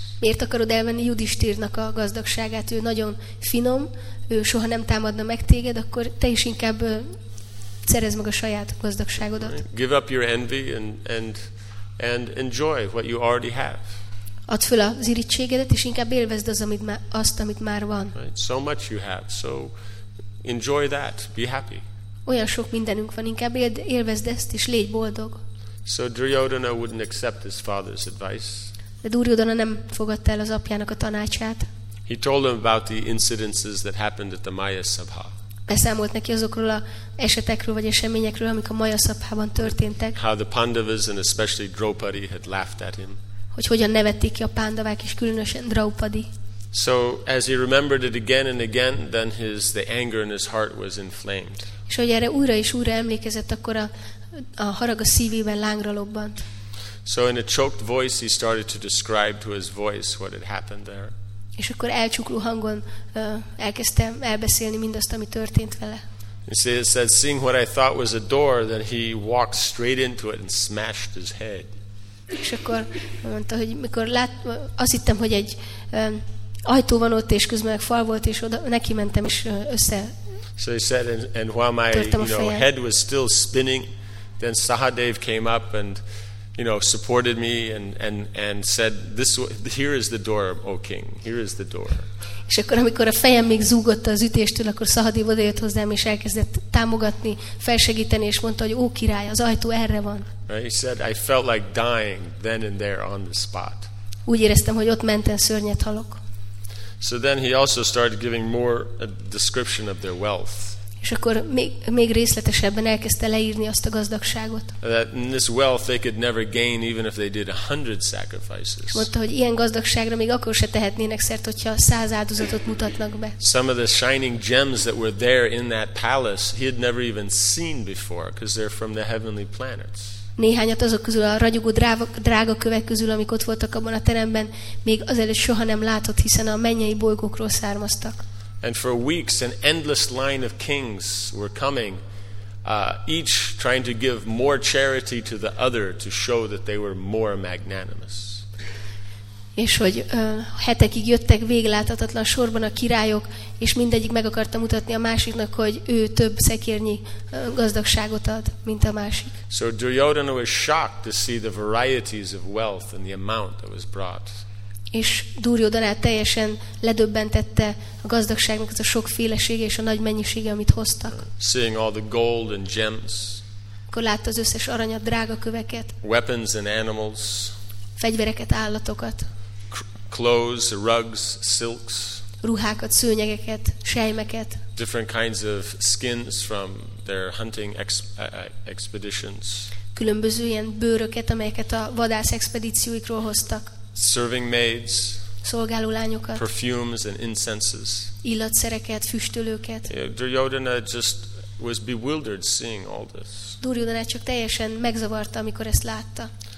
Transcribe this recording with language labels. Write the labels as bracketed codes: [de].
[hu] Miért akarod elvenni Yudhishthirnak a gazdagságát? Ő nagyon finom, ő soha nem támadna meg téged, akkor te is inkább szerezd meg a saját gazdagságodat. [en] Right. Give up your envy and enjoy what you already have. [hu] Add föl az irigységedet, és inkább élvezd amit már van. [en] Right. So much you have, so enjoy that, be happy. [hu] Olyan sok mindenünk van, inkább élvezd ezt, és légy boldog. [en] So Duryodhana wouldn't accept his father's advice. [hu] De Duryodhana nem fogadta el az apjának a tanácsát. [en] He told him about the incidences that happened at the Maya Sabha. [hu] Beszámolt neki azokról a esetekről vagy eseményekről, amik a Maya Sabhában történtek. [en] How the Pandavas and especially Draupadi had laughed at him. [hu] Hogy hogyan nevették ki a Pandavák és különösen Draupadi. [en] So as he remembered it again and again, then the anger in his heart was inflamed. [hu] És hogy erre újra és újra emlékezett, akkor a harag a szívében lángra lobbant. [en] So in a choked voice he started to describe to his voice what had happened there. [hu] És akkor elcsukló hangon elkezdte elbeszélni mindazt, ami történt vele. [en] He said, seeing what I thought was a door, then he walked straight into it and smashed his head. [hu] És akkor mondta, hogy mikor azt hittem, hogy egy ajtó van ott, és közben meg fal volt, és oda nekimentem, és össze. [en] So he said, and while my head was still spinning, then Sahadev came up and supported me and said, here is the door, O king, here is the door. [hu] És akkor, amikor a fejem még zúgott az ütéstől, akkor Sahadev odajött hozzám, és elkezdett támogatni, felsegíteni, és mondta, hogy ó király, az ajtó erre van. [en] Right? He said, I felt like dying then and there on the spot. [hu] Úgy éreztem, hogy ott menten szörnyet halok. [en] So then he also started giving more a description of their wealth. [hu] És akkor még részletesebben elkezdte leírni azt a gazdagságot. [en] That this wealth they could never gain even if they did 100 sacrifices. [hu] Mondta, hogy ilyen gazdagságra még akkor se tehetnének szert, hogyha 100 áldozatot mutatnak be. [en] Some of the shining gems that were there in that palace he had never even seen before because they're from the heavenly planets. [hu] Néhányat azok közül, a ragyogó drága kövek közül, amik ott voltak abban a teremben, még azelőtt soha nem látott, hiszen a mennyei bolygókról származtak. [en] And for weeks an endless line of kings were coming, each trying to give more charity to the other to show that they were more magnanimous. [hu] És hogy hetekig jöttek végláthatatlan sorban a királyok, és mindegyik meg akarta mutatni a másiknak, hogy ő több szekérnyi gazdagságot ad, mint a másik. [en] So Duryodhana was shocked to see the varieties of wealth and the amount that was brought. [hu] És Duryodhana teljesen ledöbbentette a gazdagságnak az a sokfélesége és a nagy mennyisége, amit hoztak. [en] Seeing all the gold and gems. [hu] Akkor látta az összes aranyat, drága köveket. [en] Weapons and animals. [hu] Fegyvereket, állatokat. [en] Clothes, rugs, silks. [hu] Ruhákat, szőnyegeket, sejmeket. [en] Different kinds of skins from their hunting expeditions. [hu] Különböző ilyen bőröket, amelyeket a vadász expedícióikról hoztak. [en] Serving maids. [hu] Szolgáló lányokat. [en] Perfumes and incenses. [hu] Illatszereket, füstölőket. [en] Duryodhana just was bewildered seeing all this. [hu] Duryodhana csak teljesen megzavarta, amikor ezt látta.